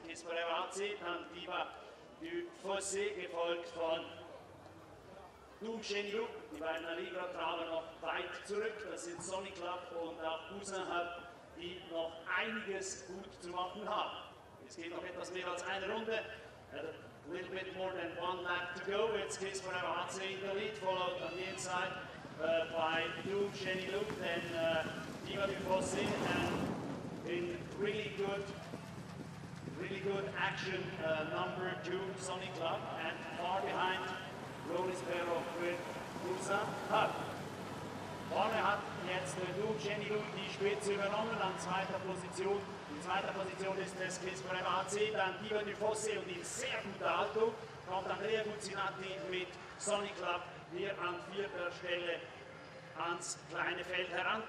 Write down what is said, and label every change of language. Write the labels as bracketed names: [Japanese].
[German] Kisvorem AC, dann Diva du Fossé, gefolgt von Du Chenyu. Die beiden Aligra traben noch weit zurück. Das sind Sonny Club und auch Cousin Hub, die noch einiges gut zu machen haben. Es geht noch etwas mehr als eine Runde. [English] A little bit more than one lap to go. It's Kisvorem AC in the lead, followed on the inside by Du Chenyu, then Diva du Fossé, and in really good action, number two, Sonny Club, and far behind, Rolis Perov with Cousin Hub. [German] Vorne hat jetzt Du Chenyu die Spitze übernommen an zweiter Position. In zweiter Position ist es Kisvorem AC, dann Diva du Fossé, und in sehr guter Haltung kommt Andrea Guzzinatti mit Sonny Club hier an vierter Stelle ans kleine Feld heran.